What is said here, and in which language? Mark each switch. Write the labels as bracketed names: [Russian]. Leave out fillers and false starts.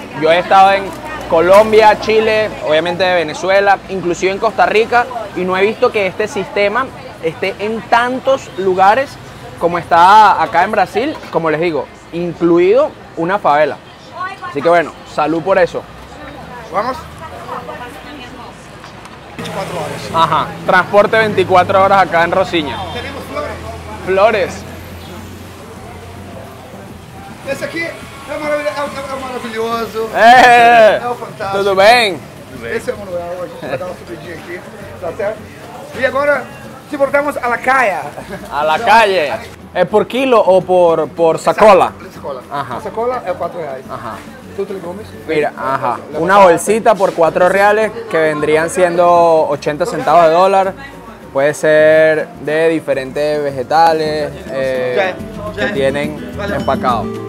[Spanish] Yo he estado en Colombia, Chile, obviamente Venezuela, inclusive en Costa Rica, y no he visto que este sistema esté en tantos lugares como está acá en Brasil, como les digo, incluido una favela. Así que bueno, salud por eso. Vamos. 24 horas. Ajá, transporte 24 horas acá en Rosiña. Tenemos flores. Flores. [Portuguese] Esse aqui é maravilhoso. É! É o fantástico. Tudo bem? Esse é o Manuel, a gente vai dar uma subidinha aqui. Tá certo? E agora, se voltamos à calle. [Spanish] À la calle? [Portuguese] É por quilo ou por sacola? Sacola. Ajá. A sacola é 4 reais. Ajá. [Spanish] ¿Tú te comes? Mira, ajá, una bolsita por 4 reales que vendrían siendo 80 centavos de dólar. Puede ser de diferentes vegetales que tienen empacado.